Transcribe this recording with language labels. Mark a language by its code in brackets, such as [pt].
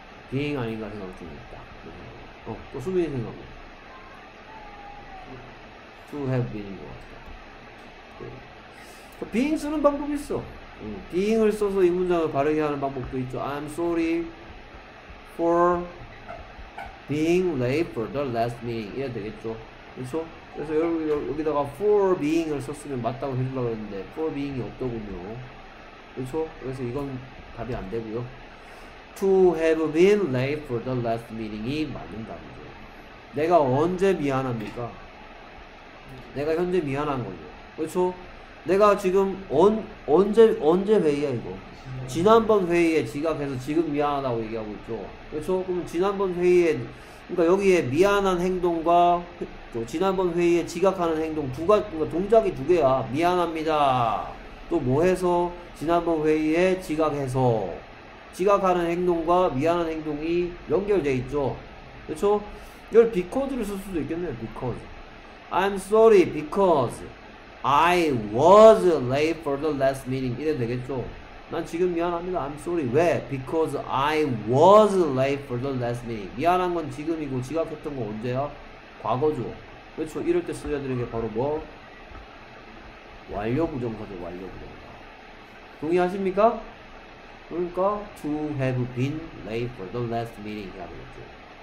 [ko] 비행 아닌가 생각 좀 있다. 또 수빈이 생각해. [en] To have been [ko] 인 것 같아. 네. 비행 쓰는 방법이 있어. 비행을 써서 이 문장을 바르게 하는 방법도 있죠. [en] I'm sorry for being late for the last meeting. [ko] 이래야 되겠죠. 그렇죠? 그래서 여기다가 for being을 썼으면 맞다고 해주려고 했는데 for being이 없더군요. 그렇죠? 그래서 이건 답이 안 되고요. [en] To have been late for the last meeting이 [ko] 맞는 답이죠. 내가 언제 미안합니까? 내가 현재 미안한 거죠. 그렇죠? 내가 지금 언제 회의야 이거? 지난번 회의에 지각해서 지금 미안하다고 얘기하고 있죠. 그렇죠? 그럼 지난번 회의에 그러니까 여기에 미안한 행동과 또 지난번 회의에 지각하는 행동 두 가지 그러니까 동작이 두 개야. 미안합니다. 또 뭐 해서 지난번 회의에 지각해서 지각하는 행동과 미안한 행동이 연결돼 있죠. 그렇죠? 이걸 because를 쓸 수도 있겠네요. [en] Because I'm sorry because I was late for the last meeting. [ko] 이래도 되겠죠. 난 지금 미안합니다. [en] I'm sorry. [ko] 왜? [en] Because I was late for the last meeting. [ko] 미안한 건 지금이고 지각했던 건 언제야? 과거죠. 그렇죠? 이럴 때 써야 되는 게 바로 뭐? 완료부정사죠. 완료부정사. 동의하십니까? [en] 그러니까 to have been late for the last meeting [ko] 해야 되겠죠.